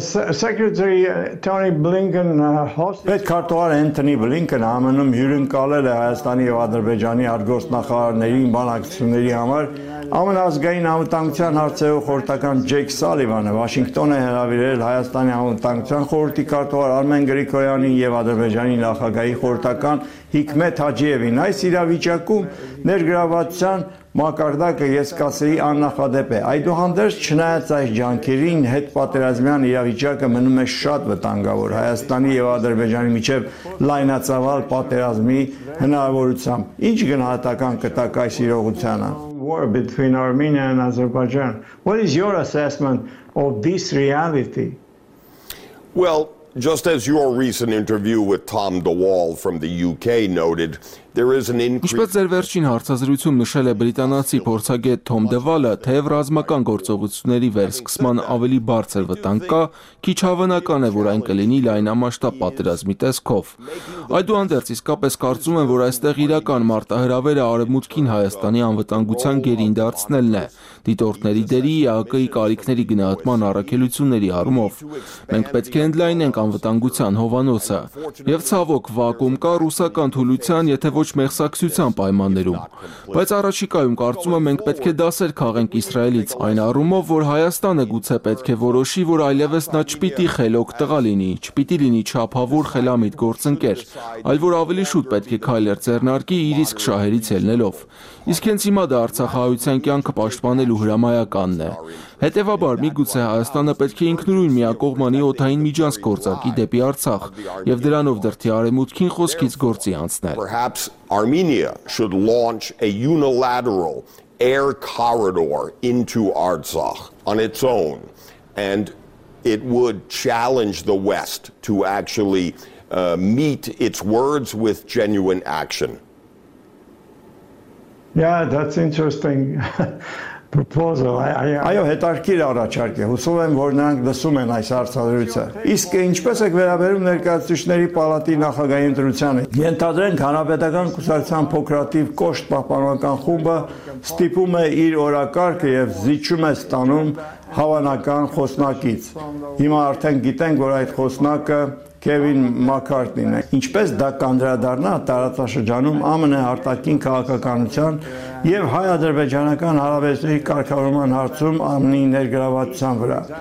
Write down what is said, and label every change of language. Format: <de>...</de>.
<en>Secretary Tony Blinken hosted</en> <hy>Պետ քարտուղար Էնթոնի Բլինքենը ԱՄՆ-ում հյուրընկալել է Հայաստանի եւ Ադրբեջանի արտգործնախարարների բանակցությունների համար ԱՄՆ-ազգային անվտանգության հարցերով խորհրդական Ջեյք Սալիվանը Վաշինգտոնը հրավիրել Հայաստանի անվտանգության խորհրդի քարտուղար Արմեն Գրիգորյանին եւ Ադրբեջանի նախագահի խորհրդական Հիքմետ Հաջիևին։ Այս իրավիճակում ներգրավվածության մակարդակը ես կասեի աննախադեպ է։ Այդուհանդերձ, չնայած այս ջանքերին, հետ պատերազմյան իրավիճակը մնում է շատ վտանգավոր Հայաստանի եւ Ադրբեջանի միջև լայնածավալ պատերազմի հնարավորությամբ։ Ինչ գնահատական կտակ այս իրողությանը։</hy> <en>War between Armenia and Azerbaijan. What is your assessment of this reality? Well, just as your recent interview with Tom DeWall from the UK noted, there is an increase.</en> <hy>Ինչպես ձեր վերջին հարցազրույցում նշել է բրիտանացի փորձագետ Թոմ Դեվալը, թե ռազմական գործողությունների վերսկսման ավելի բարձր վտանգ կա, քիչ հավանական է, որ այն կլինի լայնամասշտաբ պատերազմի տեսքով։ Այդուհանդերձ, իսկապես կարծում եմ, որ այստեղ իրական մարտահրավերը արևմուտքին Հայաստանի անվտանգության գերին դարձնելն է, դիտորդների դերի ԵԱԿ-ի կարիքների գնահատման առաքելությունների առումով։ Մենք պետք է ընդլայնենք անվտանգության հովանոցը, եւ ցավոք, վակում կա ռուսական թուլության, եթե ոչ մեղսակցության պայմաններում։ Բայց առաջիկայում կարծում եմ մենք պետք է դասեր քաղենք Իսրայելից այն առումով, որ Հայաստանը գուցե պետք է որոշի, որ այլևս նա չպիտի խելոք տղա լինի, չպիտի լինի չափավոր խելամիտ գործընկեր, այլ որ ավելի շուտ պետք է քայլեր ձեռնարկի իր իսկ շահերից ելնելով։ Իսկ հենց հիմա դա Արցախահայության կյանքը պաշտպանելու հրամայականն է։ Հետևաբար մի գուցե Հայաստանը պետք է ինքնուրույն միակողմանի օդային միջանց գործակի դեպի Արցախ և դրանով դրդի արեմուտքին խոսքից գործի անցնել։</hy> <en>Perhaps Armenia should launch a unilateral air corridor into Artsakh on its own, and it would challenge the West to actually meet its words with genuine action. Yeah, that's interesting. Proposal.</en> <hy>Այո, հետարքիր առաջարկ է։ Հուսով եմ, որ նրանք լսում են այս հարցադրույցը։ Իսկ ինչպես եք վերաբերում ներկայացուցիչների պալատի նախագահի ընտրությանը։ Ենթադրենք, հանրապետական կուսակցության փոքրատիպ կոշտ պահպանական խումբը ստիպում է իր օրակարգը և զիջում է ստանում հավանական խոսնակից։ Հիմա արդեն գիտենք, որ այդ խոսնակը Քևին Մակարտին է։ Ինչպես դա կանդրադառնա տարածաշրջանում ԱՄՆ արտաքին քաղաքականության և հայ-ադրբեջանական հարաբերությունների կարգավորման հարցում ԱՄՆ-ի ներգրավվածության վրա։</hy>